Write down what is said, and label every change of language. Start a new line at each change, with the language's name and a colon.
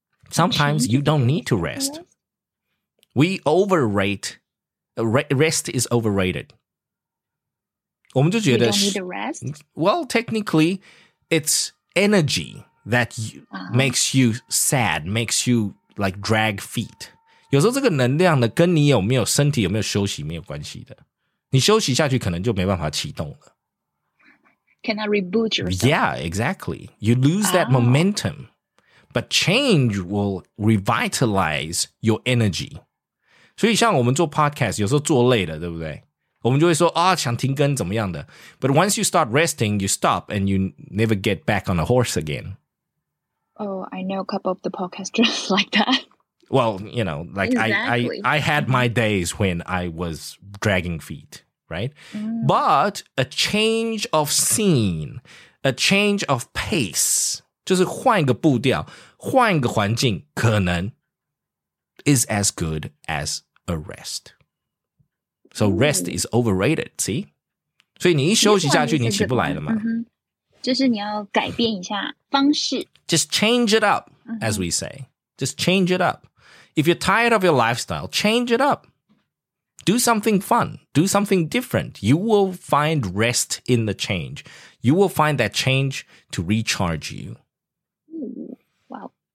English: Sometimes you don't need to rest. We overrate. Rest is overrated.
Chinese: 我们就觉得
English: you don't need the rest? Well, technically, it's energy that makes you sad, makes you like drag feet.
Chinese: 有时候这个能量呢，跟你有没有身体，有没有休息没有关系的。你休息下去可能就没办法启动了。
English: Can I reboot yourself? Yeah, exactly. You lose that momentum. But change will revitalize your energy.
Chinese: 所以像我们做 podcast, 有时候做累了，对不对？我们就会说啊，想停更怎么样的。
English: But once you start resting, you stop and you never get back on a horse again. Oh, I know a couple of the podcasters like that. Well, you know, like exactly. I had my days when I was dragging feet. Right? Mm. But a change of scene, a change of pace,
Chinese: 就是换一个步调，换一个环境，可能
English: is as good as a rest. So rest is overrated, see?
Chinese: 所以你一休息下去，你起不来了嘛。就是你要改变一下方式。
English: Just change it up, as we say. Just change it up. If you're tired of your lifestyle, change it up. Do something fun. Do something different. You will find rest in the change. You will find that change to recharge you. Ooh, wow.